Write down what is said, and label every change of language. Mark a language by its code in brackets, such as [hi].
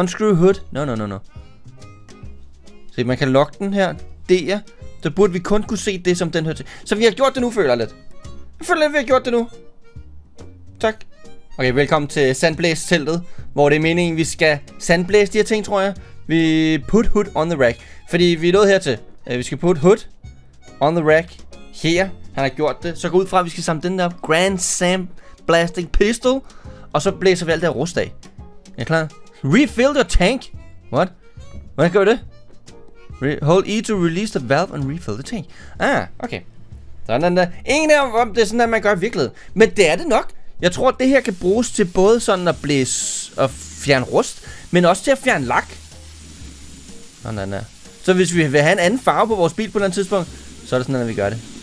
[en] Unscrew hood. No. [da] Se, man kan lock den her. D'er. Så burde vi kun kunne se det, som den hører til. Så vi har gjort det nu, føler jeg lidt. Jeg føler lidt, vi har gjort det nu. Tak. Okay, velkommen til sandblæs-teltet, hvor det er meningen, vi skal sandblæse de her ting, tror jeg. Vi [en] put hood on the rack. [da] Fordi vi er nået hertil. Vi skal [en] put hood on the rack [da] her. Han har gjort det. Så går ud fra, at vi skal samle den der Grand Sam Blasting Pistol. Og så blæser vi alt det her rust af. Er klar? [en] Refill your tank. What? [da] Hvordan gør vi det? [en] Hold E to release the valve and refill the tank. [da] Ah, okay. Sådan der. Ingen er om det er sådan, at man gør i virkeligheden. Men det er det nok. Jeg tror, at det her kan bruges til både sådan at blæse og fjerne rust, men også til at fjerne lak. Sådan der. Så hvis vi vil have en anden farve på vores bil på et eller andet tidspunkt, så er det sådan, at vi gør det.